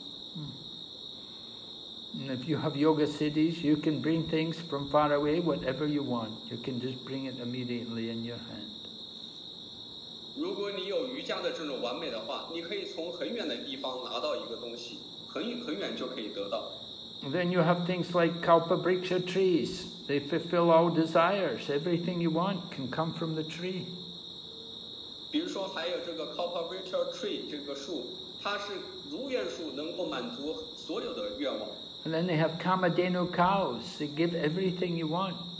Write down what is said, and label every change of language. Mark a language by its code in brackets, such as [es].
[zh] 在灵性世界没有这些东西，人们都有这种瑜伽的力量。如果人们需要一些东西的话，他通过这种瑜伽的力量马上就可以得到，他不需要这个所谓的现在的这些钱。 [en] If you have yoga siddhis, you can bring things from far away, whatever you want. You can just bring it immediately in your hand. [zh] 如果你有瑜伽的这种完美的话，你可以从很远的地方拿到一个东西，很远就可以得到。 [en] Then you have things like Kalpa Briksha trees. They fulfill all desires. Everything you want can come from the tree. [zh] 比如说还有这个 Kalpa Briksha tree 这个树，它是如愿树，能够满足所有的愿望。 [en] And then they have Kamadhenu cows. They give everything you want.